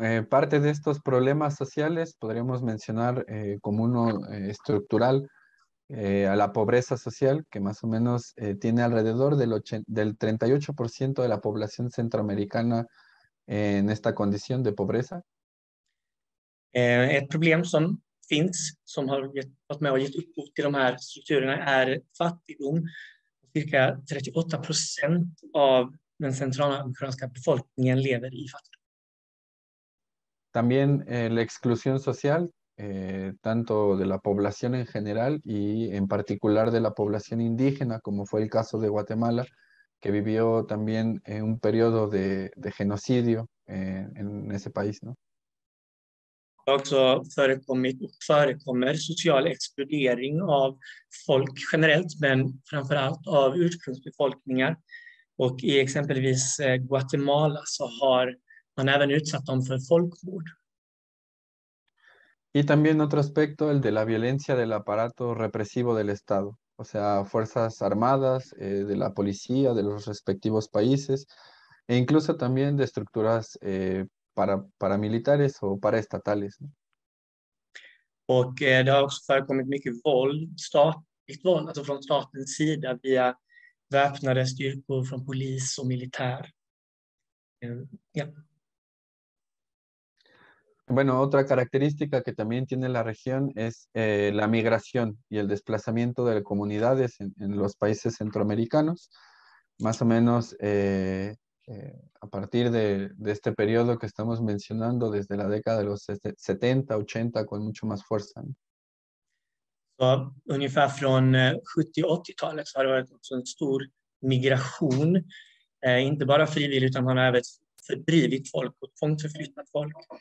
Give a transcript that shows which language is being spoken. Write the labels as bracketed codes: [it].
[es] Parte de estos problemas sociales podríamos mencionar como uno estructural a la pobreza social, que más o menos tiene alrededor del 38% de la población centroamericana en esta condición de pobreza. [sv] Ett problem som finns, som har gett med och gett upphov till de här strukturerna, är fattigdom. Cirka 38% av den centralamerikanska befolkningen lever i fattigdom. [es] También la exclusión social, tanto de la población en general y en particular de la población indígena, como fue el caso de Guatemala, que vivió también un periodo de genocidio en ese país, ¿no? [sv] Också förekommit och förekommer social exkludering av folk generellt, men framförallt av ursprungsbefolkningar. Och i exempelvis Guatemala så har han även utsatt dem för folkmord. [es] Y también otro aspecto, el de la violencia del aparato represivo del Estado, o sea, fuerzas armadas, de la policía, de los respectivos países, e incluso también de estructuras paramilitares o paraestatales. [sv] Och det har också förekommit mycket våld, statligt våld, alltså från statens sida, via väpnade styrkor från polis och militär. [es] Bueno, otra característica que también tiene la región es la migración y el desplazamiento de comunidades en los países centroamericanos, más o menos a partir de este periodo que estamos mencionando desde la década de los 70, 80 con mucho más fuerza, ¿no? [sv] Så, ungefär från 70-80-talet har det varit också en stor migration, inte bara frivilligt utan man har även fördrivit folk och tvångsförflyttat folk.